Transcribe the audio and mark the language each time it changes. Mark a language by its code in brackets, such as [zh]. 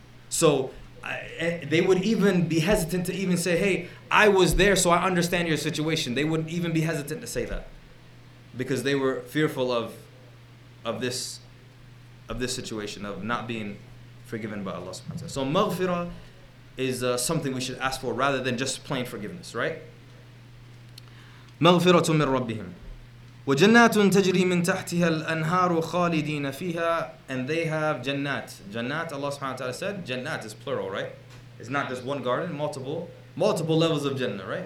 [en] So they would even be hesitant to even say, hey, I was there so I understand your situation. They wouldn't even be hesitant to say that because they were fearful of this situation, of not being forgiven by Allah subhanahu wa ta'ala. So maghfirah is something we should ask for rather than just plain forgiveness, right? [ar] مغفرة من ربهم وجنات تجري من تحتها الأنهار خالدين فيها. [en] And they have jannat. Jannat, Allah subhanahu wa ta'ala said, jannat is plural, right? It's not just one garden, multiple levels of jannah, right?